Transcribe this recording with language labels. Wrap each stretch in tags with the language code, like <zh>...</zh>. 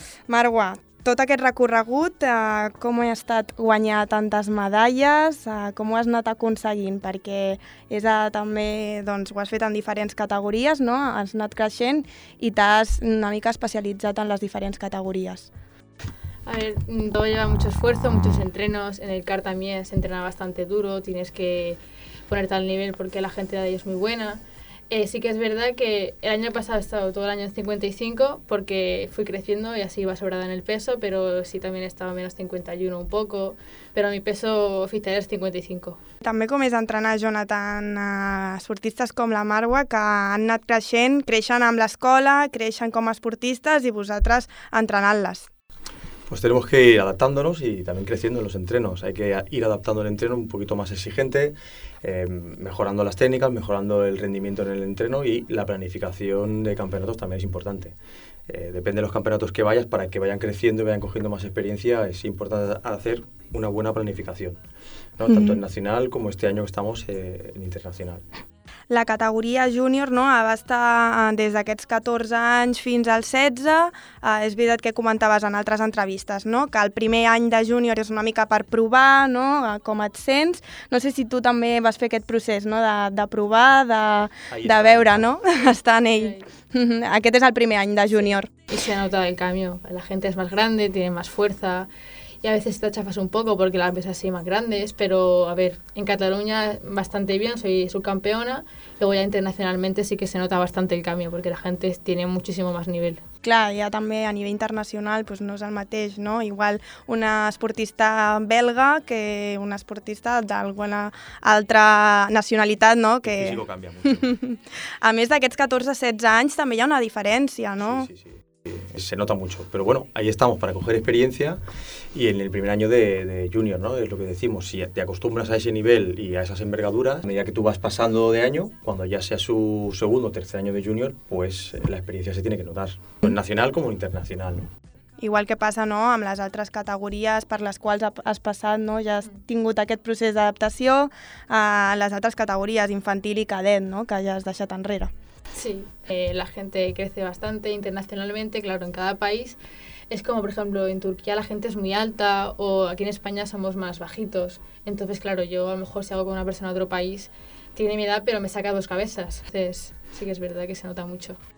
<ca>Marwa, tot aquest recorregut, com ha estat guanyar tantes medalles, com ho has anat aconseguint? Perquè és també, doncs, ho has fet en diferents categories, no? Has anat creixent i t'has una mica especialitzat en les diferents categories.</ca> <es>A ver, todo lleva mucho esfuerzo, muchos entrenos. En el CAR también se entrena bastante duro, tienes que ponerte al nivel porque la gente de ahí es muy buena. Sí que es verdad que el año pasado he estado todo el año en 55 porque fui creciendo y así iba sobrada en el peso, pero sí también estaba menos 51 un poco, pero mi peso oficial es 55.</es> <ca>També com és entrenar, Jonathan, esportistes com la Marwa, que han anat creixent, creixen amb l'escola, creixen com a esportistes i vosaltres entrenant-les.</ca> <es>Pues tenemos que ir adaptándonos y también creciendo en los entrenos. Hay que ir adaptando el entreno un poquito más exigente, mejorando las técnicas, mejorando el rendimiento en el entreno y la planificación de campeonatos también es importante. Depende de los campeonatos que vayas, para que vayan creciendo y vayan cogiendo más experiencia, es importante hacer una buena planificación, ¿no? Tanto en nacional como este año que estamos en internacional.</es> <ca>La categoria júnior, no, abasta des d'aquests 14 anys fins als 16. És veritat que comentaves en altres entrevistes, no, que el primer any de júnior és una mica per provar, no, com et sents. No sé si tu també vas fer aquest procés, no, de provar, de veure, no, estar en ell. Aquest és el primer any de júnior. I se nota el canvi. La gent és més gran, té més força.</ca> <es>Y a veces te chafas un poco porque las ves así más grandes, pero a ver, en Cataluña bastante bien, soy subcampeona. Luego ya internacionalmente sí que se nota bastante el cambio porque la gente tiene muchísimo más nivel.</es> <ca>Clar, ja també a nivell internacional pues no és el mateix, no? Igual una esportista belga que una esportista d'alguna altra nacionalitat, no?</ca> <es>Que... El físico cambia mucho.</es> <ca>A més d'aquests 14-16 anys també hi ha una diferència, no? Sí.</ca> <es>Se nota mucho, pero bueno, ahí estamos para coger experiencia. Y en el primer año de junior, ¿no? Es lo que decimos, si te acostumbras a ese nivel y a esas envergaduras, a medida que tú vas pasando de año, cuando ya sea su segundo o tercer año de junior, pues la experiencia se tiene que notar, nacional como internacional, ¿no?</es> <ca>Igual que passa, no?, amb les altres categories per les quals has passat, no?, ja has tingut aquest procés d'adaptació a les altres categories, infantil i cadet, no?, que ja has deixat enrere.</ca> <es>Sí, la gente crece bastante internacionalmente, claro, en cada país. Es como, por ejemplo, en Turquía la gente es muy alta o aquí en España somos más bajitos. Entonces, claro, yo a lo mejor si hago con una persona de otro país, tiene mi edad, pero me saca dos cabezas. Entonces, sí que es verdad que se nota mucho.</es>